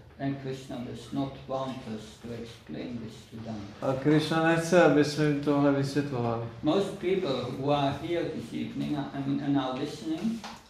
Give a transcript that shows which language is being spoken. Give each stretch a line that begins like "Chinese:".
English: And Krishna does not want us to explain this to them.
Czech: A Krishna nechce, aby jsme jim tohle vysvětlovali.
English: Most people who are here this evening and are listening.